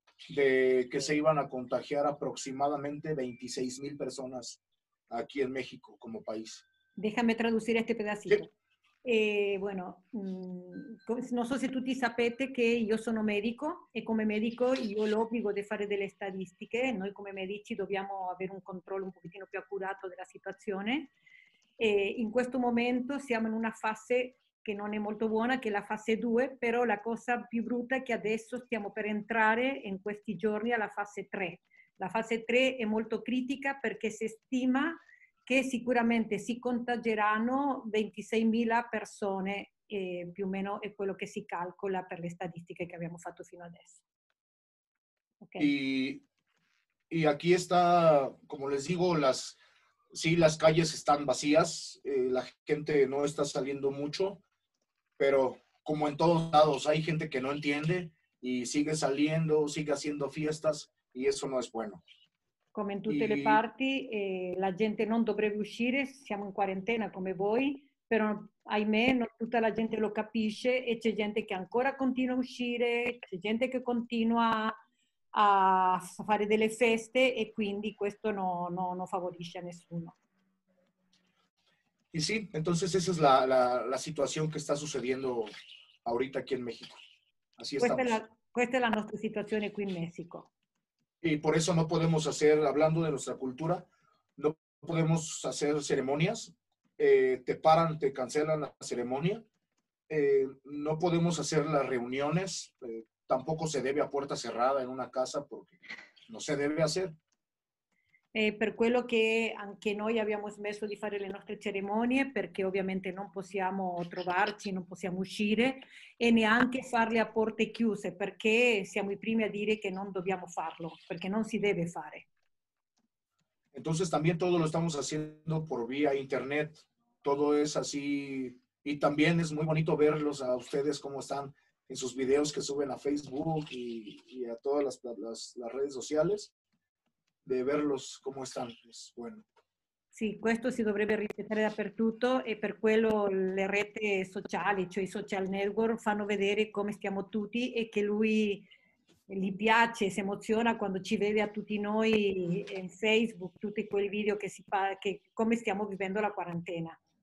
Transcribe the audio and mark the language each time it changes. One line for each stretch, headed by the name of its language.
Spanish: de que se iban a contagiar aproximadamente 26 mil personas aquí en México como país. Déjame traducir este pedacito. Sí. Bueno, no sé si tú
Italian: ti sapete
Spanish: que yo soy médico y como médico yo lo obligo de hacer de las estadísticas.
Italian: Noi como medici dobbiamo avere un controllo un pochino più accurato della situazione. In questo momento siamo in una fase che non è molto buona, che è la fase 2, però la cosa più brutta è che adesso stiamo per entrare in questi giorni alla fase 3. La fase 3 è molto critica perché si stima che sicuramente si contageranno 26.000 persone, più o meno è quello che si calcola per le statistiche che abbiamo fatto fino adesso. Okay. E
Spanish: Y aquí está, como les digo, las calles están vacías, la gente no está saliendo mucho, pero como en todos lados, hay gente que no entiende y sigue saliendo, sigue haciendo fiestas, y eso no es bueno.
Italian: Come in tutte le parti, la gente non dovrebbe uscire, siamo in quarantena come voi, però ahimè non tutta la gente lo capisce e c'è gente che ancora continua a uscire, c'è gente che continua a fare delle feste e quindi questo no favorisce a nessuno. E sì,
Spanish: entonces esa es la
Italian: situazione che sta succedendo ahorita qui in Messico. Questa è la nostra situazione qui in Messico.
Spanish: Y por eso no podemos hacer, hablando de nuestra cultura, no podemos hacer ceremonias, te paran, te cancelan la ceremonia, no podemos hacer las reuniones, tampoco se debe a puerta cerrada en una casa porque no se debe hacer.
Italian: Per quello che anche noi abbiamo smesso di fare le nostre cerimonie, perché ovviamente non possiamo trovarci, non possiamo uscire, e neanche farle a porte chiuse, perché siamo i primi a dire che non dobbiamo farlo, perché non si deve fare.
Spanish: Entonces también todo lo estamos haciendo por vía internet, todo es así, y también es muy bonito verlos a ustedes cómo están en sus videos que suben a Facebook y a todas las redes sociales. De verlos
Italian: come stanno,
Spanish: bueno.
Italian: Sì, questo si dovrebbe ripetere dappertutto e per quello le reti sociali, cioè i social network, fanno vedere come stiamo tutti e che lui gli piace, si emoziona quando ci vede a tutti noi in Facebook, tutti quei video che si fa, che come stiamo vivendo la quarantena.